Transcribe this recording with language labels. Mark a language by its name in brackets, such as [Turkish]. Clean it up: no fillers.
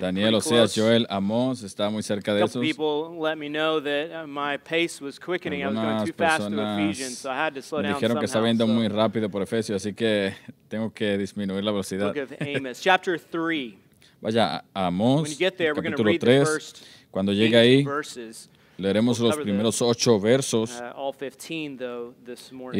[Spanish] Daniel, Oseas, Joel, Amos, está muy cerca de esos. [English] Couple people let me know that my pace was quickening. [Spanish] Algunas [English] I was going too fast through Ephesians, so I had to slow down. [Spanish] Me dijeron que estaba yendo muy rápido por Efesios, así que tengo que disminuir la velocidad. [English] Book of Amos, chapter 3. [Spanish] Vaya, Amos, [English] there, [Spanish] capítulo 3. Cuando llegue ahí, leeremos [English] we'll [Spanish] los primeros 8 versos. [English] All 15, though, this morning.